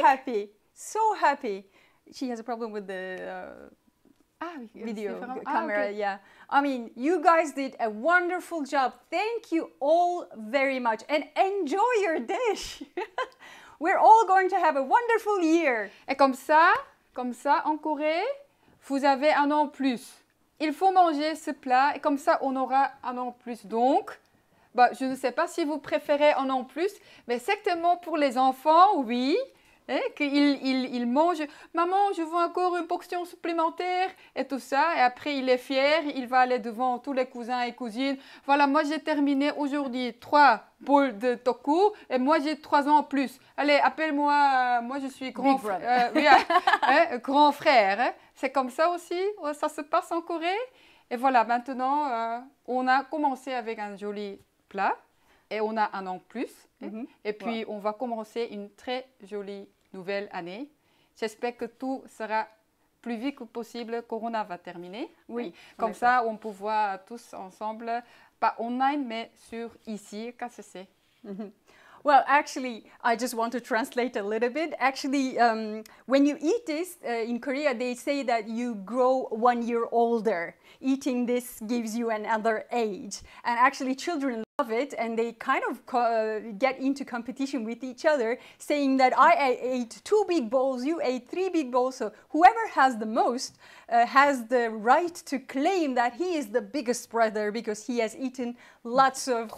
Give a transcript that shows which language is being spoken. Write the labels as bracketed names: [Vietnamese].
[English] So happy. So happy. She has a problem with the video camera. Okay. Yeah. I mean, you guys did a wonderful job. Thank you all very much. And enjoy your dish. We're all going to have a wonderful year. [French] Et comme ça, en Corée, vous avez un an plus. Il faut manger ce plat et comme ça, on aura un an plus. Donc, je ne sais pas si vous préférez un an plus, mais certainement pour les enfants, oui, qu'ils mangent. Maman, je veux encore une portion supplémentaire et tout ça. Et après, il est fier, il va aller devant tous les cousins et cousines. Voilà, moi, j'ai terminé aujourd'hui 3 boules de toku et moi, j'ai 3 ans en plus. Allez, appelle-moi, moi, je suis grand frère. grand frère. C'est comme ça aussi, ça se passe en Corée. Et voilà, maintenant, on a commencé avec un joli plat et on a un an plus. Et puis, on va commencer une très jolie nouvelle année. J'espère que tout sera plus vite que possible. Corona va terminer. Oui. Comme ça, on peut voir tous ensemble, pas online, mais sur ici, KCC. [English] Well, actually, I just want to translate a little bit. Actually, when you eat this in Korea, they say that you grow 1 year older. Eating this gives you another age. And actually, children love it and they kind of get into competition with each other, saying that I ate 2 big bowls, you ate 3 big bowls. So whoever has the most has the right to claim that he is the biggest brother because he has eaten lots of